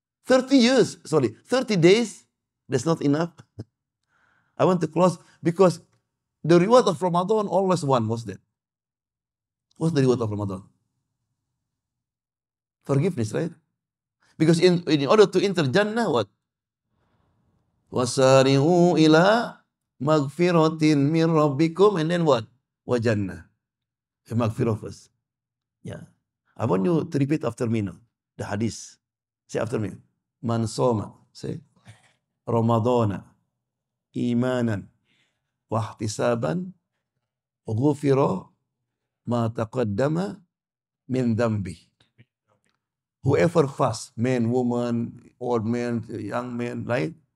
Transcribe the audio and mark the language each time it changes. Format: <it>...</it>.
<en>30 days, that's not enough. I want to close because the reward of Ramadan always one was that. What's the reward of Ramadan? Forgiveness, right? Because in order to enter Jannah, what?</en> <ar>وَسَارِهُ إِلَىٰ مَغْفِرَةٍ مِنْ رَبِّكُمْ</ar> <en>And then what?</en> <ar>وَجَنَّةٍ</ar> <en>The مَغْفِرَةٍ first. Yeah. I want you to repeat after me now. The hadith. Say after me.</en> <ar>مَنْ صَوْمَ</ar> <en>Say.</en> <ar>رَمَضَانَ إِيمَانًا وَاحْتِسَابًا وَغُفِرَ مَا تَقَدَّمَ مِنْ ذَنْبِهِ</ar> <en>Whoever fast, man, woman, old man, young man, right?</en>